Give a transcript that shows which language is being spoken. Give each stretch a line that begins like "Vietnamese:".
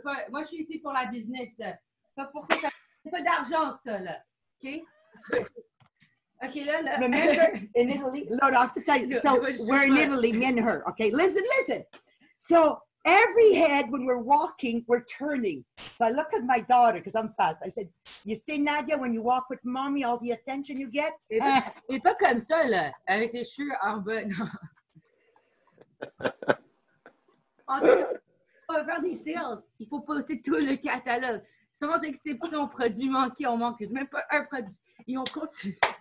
French: Moi, je suis ici pour la business. Pas pour ça, c'est pas d'argent, ça, là. Okay, là.
English: Remember, in Italy, Lord, I have to tell you, so we're in Italy, me and her, okay? Listen. So every head, when we're walking, we're turning. So I look at my daughter, because I'm fast. I said, you see, Nadia, when you walk with mommy, all the attention you get?
French: Et pas comme ça, là, avec les cheveux en bas, non. On va faire des sales. Il faut poster tout le catalogue. Sans exception, produits manqués, on manque même pas un produit. Et on continue.